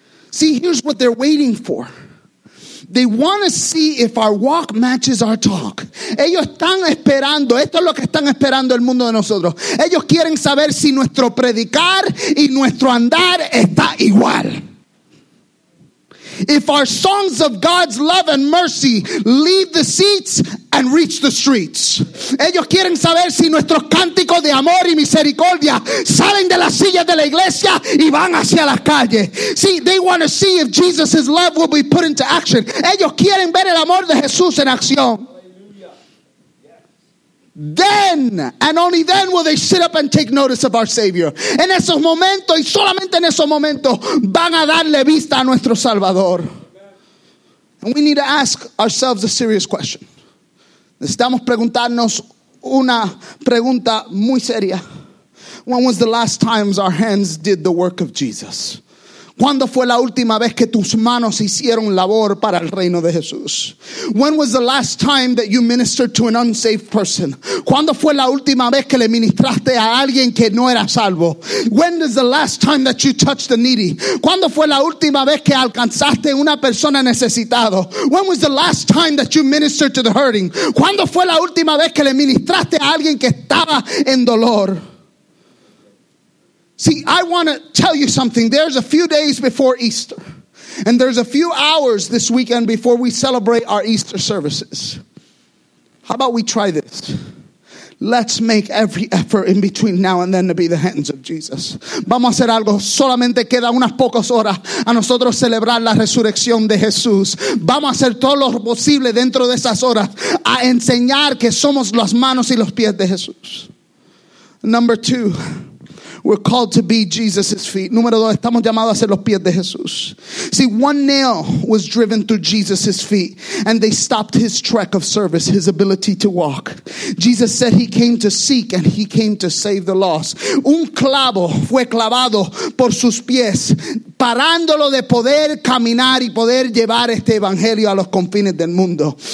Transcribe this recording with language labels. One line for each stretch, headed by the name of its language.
English: See, here's what they're waiting for. They want to see if our walk matches our talk.
Spanish: Ellos están esperando. Esto es lo que están esperando el mundo de nosotros. Ellos quieren saber si nuestro predicar y nuestro andar está igual.
English: If our songs of God's love and mercy leave the seats and reach the streets.
Spanish: Ellos quieren saber si nuestros cánticos de amor y misericordia salen de las sillas de la iglesia y van hacia las calles.
English: See, they want to see if Jesus' love will be put into action.
Spanish: Ellos quieren ver el amor de Jesús en acción.
English: Then, and only then, will they sit up and take notice of our Savior.
Spanish: En esos momentos, y solamente en esos momentos, van a darle vista a nuestro Salvador.
English: And we need to ask ourselves a serious question.
Spanish: Necesitamos preguntarnos una pregunta muy seria.
English: When was the last times our hands did the work of Jesus?
Spanish: ¿Cuándo fue la última vez que tus manos hicieron labor para el reino de Jesús?
English: When was the last time that you ministered to an unsaved person?
Spanish: ¿Cuándo fue la última vez que le ministraste a alguien que no era salvo?
English: When is the last time that you touched the needy?
Spanish: ¿Cuándo fue la última vez que alcanzaste una persona necesitada?
English: When was the last time that you ministered to the hurting?
Spanish: ¿Cuándo fue la última vez que le ministraste a alguien que estaba en dolor?
English: See, I want to tell you something. There's a few days before Easter, and there's a few hours this weekend before we celebrate our Easter services. How about we try this? Let's make every effort in between now and then to be the hands of Jesus.
Spanish: Vamos a hacer algo. Solamente queda unas pocas horas a nosotros celebrar la resurrección de Jesús. Vamos a hacer todo lo posible dentro de esas horas a enseñar que somos las manos y los pies de Jesús.
English: Number two. We're called to be Jesus' feet.
Spanish: Número dos, estamos llamados a ser los pies de Jesús.
English: See, one nail was driven through Jesus' feet, and they stopped his trek of service, his ability to walk. Jesus said he came to seek, and he came to save the lost.
Spanish: Un clavo fue clavado por sus pies, parándolo de poder caminar y poder llevar este evangelio a los confines del mundo.